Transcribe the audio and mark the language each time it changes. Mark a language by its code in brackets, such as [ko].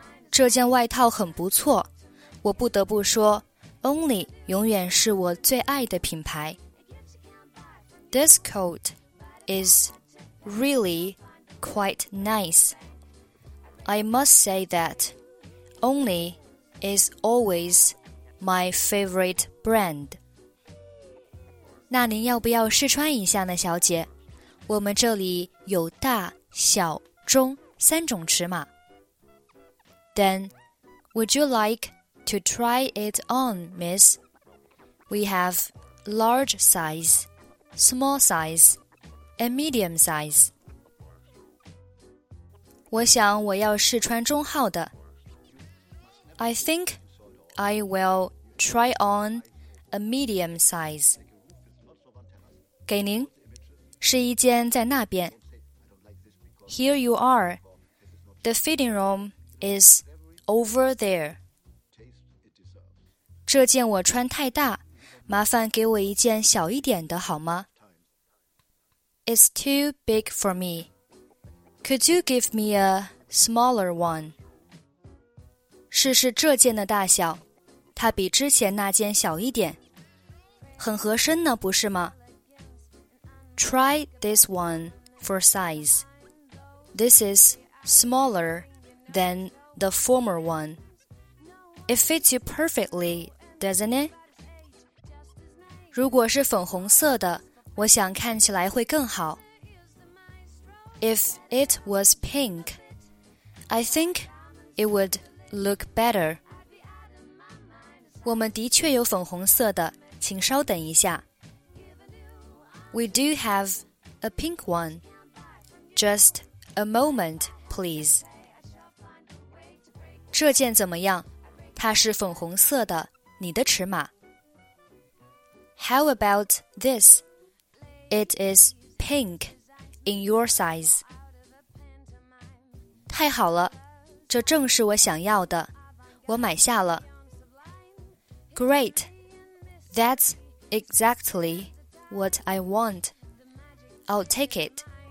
[zh] 这件外套很不错。我不得不说Only 永远是我最爱的品牌。 [en] This coat is really quite nice. I must say that Only is always my favorite brand. [zh] 那您要不要试穿一下呢，小姐？我们这里有大、小、中三种尺码。 [en] Then, would you like... To try it on, miss, we have large size, small size, and medium size. [zh] 我想我要试穿中号的。 [en] I think I will try on a medium size. [zh] 给您，试衣间在那边。 [en] Here you are. The fitting room is over there. [zh] 这件我穿太大，麻烦给我一件小一点的好吗？ [en] It's too big for me. Could you give me a smaller one? [zh] 试试这件的大小，它比之前那件小一点，很合身呢，不是吗？ [en] Try this one for size. This is smaller than the former one. It fits you perfectly. Doesn't it? [zh] 如果是粉红色的，我想看起来会更好。 [en] If it was pink, I think it would look better. [zh] 我们的确有粉红色的，请稍等一下。 [en] We do have a pink one. Just a moment, please. [zh] 这件怎么样？它是粉红色的。你的尺码。 [en] How about this? It is pink in your size. [zh] 太好了，这正是我想要的，我买下了。 [en] Great, that's exactly what I want. I'll take it.